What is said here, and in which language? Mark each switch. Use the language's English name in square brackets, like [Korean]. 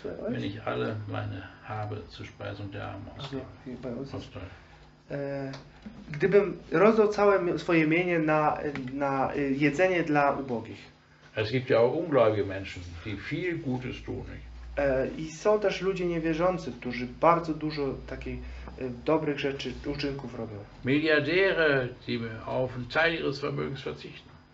[German] Wenn ich alle meine habe zur Speisung der Armen austeile. [Polish] Gdybym rozdał całe swoje mienie na jedzenie dla ubogich. [German] Es gibt ja auch ungläubige Menschen, die viel Gutes tun. [Polish] I są też ludzie niewierzący, którzy bardzo dużo takich dobrych rzeczy, uczynków robią. [German] Miliardäre, die auf einen Teil ihres Vermögens verzichten.